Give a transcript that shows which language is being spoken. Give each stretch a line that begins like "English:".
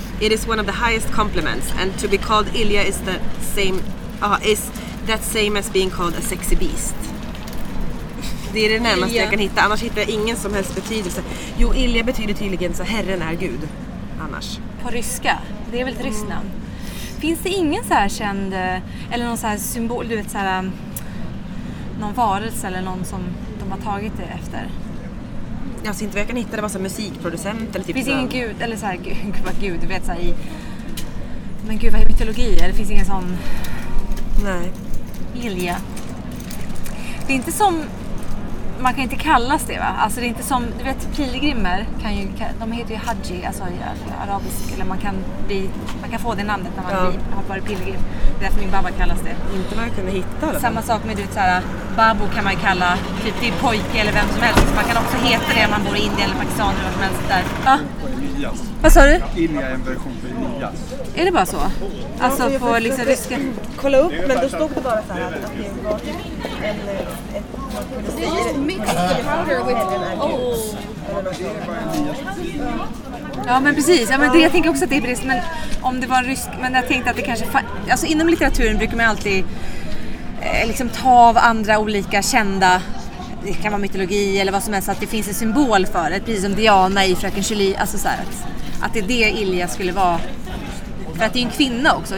English: It is one of the highest compliments, and to be called Ilja is the same... is That's same as being called a sexy beast.
Swedish: Det är det närmaste jag kan hitta. Annars hittar jag ingen som helst betydelse. Jo, Ilja betyder tydligen så herren är gud. Annars. På ryska. Det är väl ett ryskt namn. Finns det ingen så här känd eller någon så här symbol, du vet, så här, någon varelse eller någon som de har tagit det efter? Jag ser inte vad jag kan hitta. Det var så här musikproducent eller typ. Finns ingen gud eller så här gud, du vet, så här, i, men gud, vad är mytologi? Eller finns ingen sån? Nej. Ilja. Det är inte som, man kan inte kallas det, va? Alltså det är inte som, du vet, pilgrimer kan ju, de heter ju haji, alltså i arabisk, eller man kan bli, man kan få det namnet när man har varit pilgrim. Det är därför min baba kallas det. Inte vad jag kunde hitta. Eller? Samma sak med, du vet, så här, babo kan man kalla, typ det är pojke eller vem som helst. Man kan också heta det om man bor i Indien eller Pakistan eller vad som helst där. Ja. Vad sa du? Ilja är en version för Ilias. Är det bara så? Alltså ja, på liksom ryska... Kolla upp, men då stod det bara så här att det var en...
English: They just mixed the powder with oats.
Swedish: Ja, men precis. Ja, men det, jag tänker också att det är brist, men om det var en rysk... Men jag tänkte att det kanske... Alltså inom litteraturen brukar man alltid liksom ta av andra olika kända... Det kan vara mytologi eller vad som helst, att det finns en symbol för det, precis som Diana i Fröken Julie, alltså så här, att det är det Ilja skulle vara, för att det är en kvinna också.